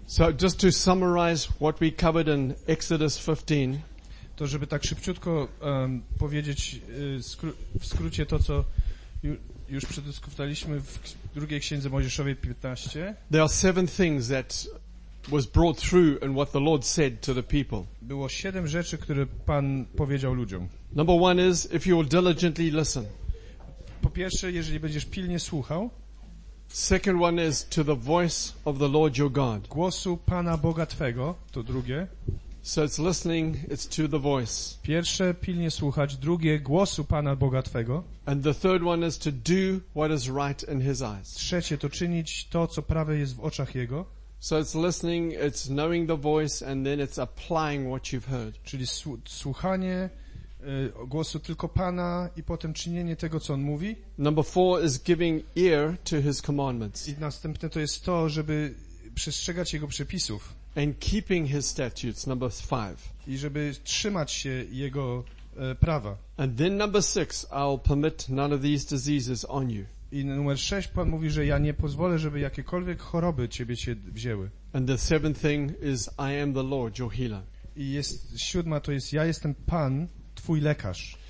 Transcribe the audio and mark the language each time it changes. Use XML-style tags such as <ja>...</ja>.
<en>So just to summarize what we covered in Exodus 15.</en> <pl>To żeby tak szybciutko powiedzieć w skrócie to, co już przedyskutowaliśmy w drugiej księdze Mojżeszowej 15.</pl> <en>There are seven things that was brought through in what the Lord said to the people.</en> <pl>Było siedem rzeczy, które Pan powiedział ludziom.</pl> <en>Number one is if you will diligently listen.</en> <pl>Po pierwsze, jeżeli będziesz pilnie słuchał.</pl> <en>Second one is to the voice of the Lord your God.</en> <pl>Głosu Pana Boga twego, to drugie.</pl> <en>So it's listening, it's to the voice.</en> <pl>Pierwsze, pilnie słuchać, drugie, głosu Pana Boga twego.</pl> <en>And the third one is to do what is right in his eyes.</en> <pl>Trzecie, to czynić to, co prawe jest w oczach jego.</pl> <en>So it's listening, it's knowing the voice, and then it's applying what you've heard.</en> <pl>Czyli słuchanie głosu tylko Pana i potem czynienie tego, co on mówi.</pl> <en>Number four is giving ear to his commandments.</en> <pl>I następne to jest to, żeby przestrzegać jego przepisów.</pl> <en>And keeping his statutes, number five.</en> <pl>I żeby trzymać się jego prawa.</pl> <en>And then number six, I'll permit none of these diseases on you.</en> <pl>I numer 6 Pan mówi, że ja nie pozwolę, żeby jakiekolwiek choroby ciebie się wzięły.</pl> <en>And the seventh thing is I am the Lord, your healer.</en> <pl>I jest siódma, to jest ja jestem Pan, twój lekarz.</pl>